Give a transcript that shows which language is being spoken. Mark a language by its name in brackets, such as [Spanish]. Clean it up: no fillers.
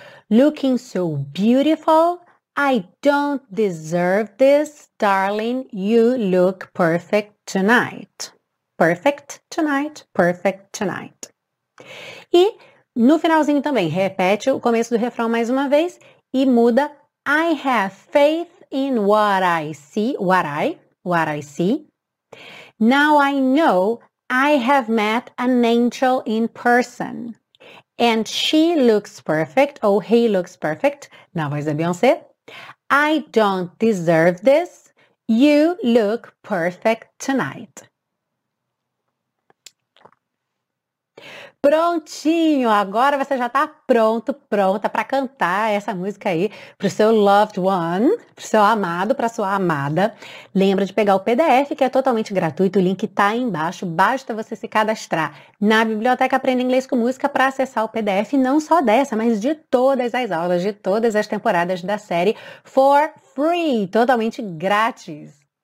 [English] Looking so beautiful, I don't deserve this, darling, you look perfect tonight. Perfect tonight. [Portuguese] E no finalzinho também, repete o começo do refrão mais uma vez e muda. [English] I have faith in what I see. What I see. Now I know I have met an angel in person. And she looks perfect. Ou he looks perfect. [Portuguese] Na voz da [English] Beyoncé. I don't deserve this. You look perfect tonight. [Portuguese] Prontinho, agora você já tá pronto, pronta para cantar essa música aí pro seu [English] loved one, [Portuguese] pro seu amado, pra sua amada. Lembra de pegar o PDF, que é totalmente gratuito, o link tá aí embaixo, basta você se cadastrar na Biblioteca Aprenda Inglês com Música para acessar o PDF, não só dessa, mas de todas as aulas, de todas as temporadas da série, [English] for free, [Portuguese] totalmente grátis.